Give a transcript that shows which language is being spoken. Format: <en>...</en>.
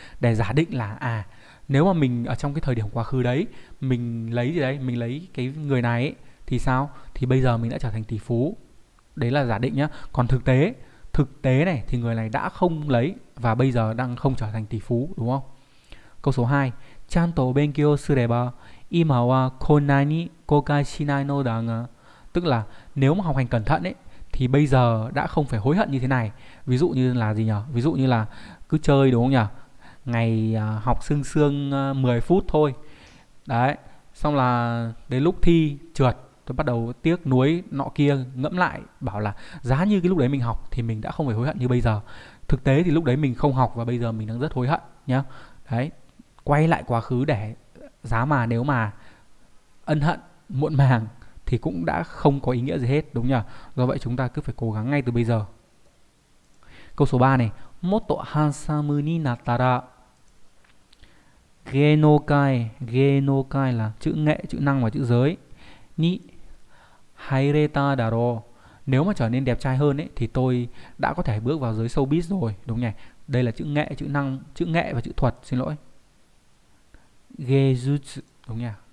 <vi>Để giả định là à nếu mà mình ở trong cái thời điểm quá khứ đấy, mình lấy gì đấy, mình lấy cái người này ấy, thì sao? Thì bây giờ mình đã trở thành tỷ phú. Đấy là giả định nhá. Còn thực tế này thì người này đã không lấy và bây giờ đang không trở thành tỷ phú, đúng không? Câu số 2.</vi> <ja>ちゃんと勉強すれば今はこんなに後悔しないのだが。</ja> <vi>Tức là nếu mà học hành cẩn thận ấy thì bây giờ đã không phải hối hận như thế này. Ví dụ như là gì nhỉ? Ví dụ như là cứ chơi đúng không nhỉ? Ngày học sương sương 10 phút thôi. Đấy, xong là đến lúc thi trượt, tôi bắt đầu tiếc nuối nọ kia, ngẫm lại bảo là giá như cái lúc đấy mình học thì mình đã không phải hối hận như bây giờ. Thực tế thì lúc đấy mình không học và bây giờ mình đang rất hối hận nhá. Đấy, quay lại quá khứ để giá mà nếu mà ân hận muộn màng thì cũng đã không có ý nghĩa gì hết đúng nhỉ? Do vậy chúng ta cứ phải cố gắng ngay từ bây giờ. Câu số 3 này.</vi> <ja>もっとハンサムになったら、芸能界</ja> <vi>là chữ nghệ, chữ năng và chữ giới,</vi> <ja>に入れただろう。</ja> <vi>Nếu mà trở nên đẹp trai hơn ấy thì tôi đã có thể bước vào giới showbiz rồi, đúng nhỉ? Đây là chữ nghệ, chữ năng, chữ nghệ và chữ thuật, xin lỗi. Gejutsu, đúng nhỉ?</vi>